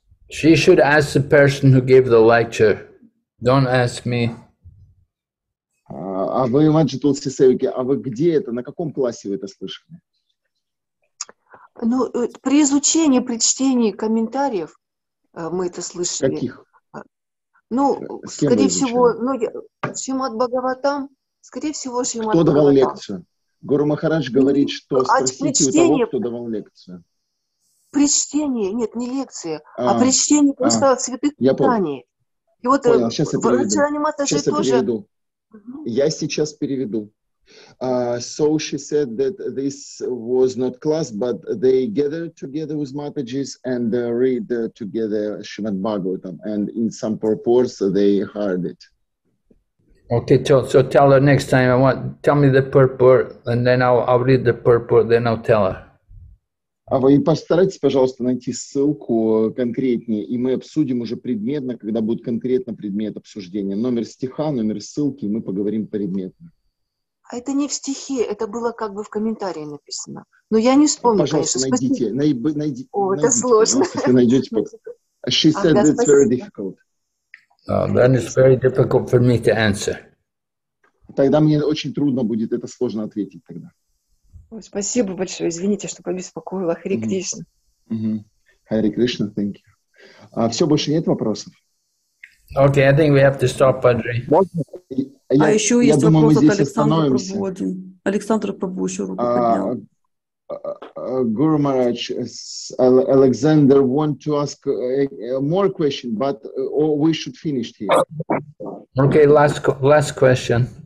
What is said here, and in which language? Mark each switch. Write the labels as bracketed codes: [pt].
[en] She should ask the person who gave the lecture. Don't ask me. [ru] А вы, Маджи Тулси Севики, а вы где это? На каком классе вы это слышали? Ну, при изучении, при чтении комментариев мы это слышали. Каких? Ну, скорее всего, Шримад Бхагаватам, скорее всего, Шримад Бхагаватам. Кто давал лекцию? Гуру Махарадж говорит, что спросите у того, кто давал лекцию. При чтении, нет, не лекции, а при чтении просто святых писаний. И вот сейчас я переведу. Я сейчас переведу. [en] So she said that this was not class, but they gathered together with Matajis and read together Shrimad Bhagavatam, and in some purports they heard it. Okay, so tell her next time. Tell me the purport, and then I'll read the purport, then I'll tell her. [ru] А вы постарайтесь, пожалуйста, найти ссылку конкретнее, и мы обсудим уже предметно, когда будет конкретно предмет обсуждения. Номер стиха, номер ссылки, и мы поговорим предметно. А это не в стихе, это было как бы в комментарии написано. Но я не вспомню, пожалуйста, конечно. Пожалуйста, найдите. О, найдите, это сложно. Если найдете, пожалуйста. [en] She said it's very difficult. Then it's very difficult for me to answer. [ru] Тогда мне очень трудно будет, это сложно ответить тогда. Спасибо большое. Извините, что побеспокоила. Хари Кришна. Хари Кришна, thank you. Все, больше нет вопросов? [en] Okay, I think we have to stop, Padre. [ru] А еще есть вопрос от Александра Прабху. Александр Прабху еще руку поднял. [en] Гуру Махарадж, Александр want to ask more question, but we should finish here. Okay, last question.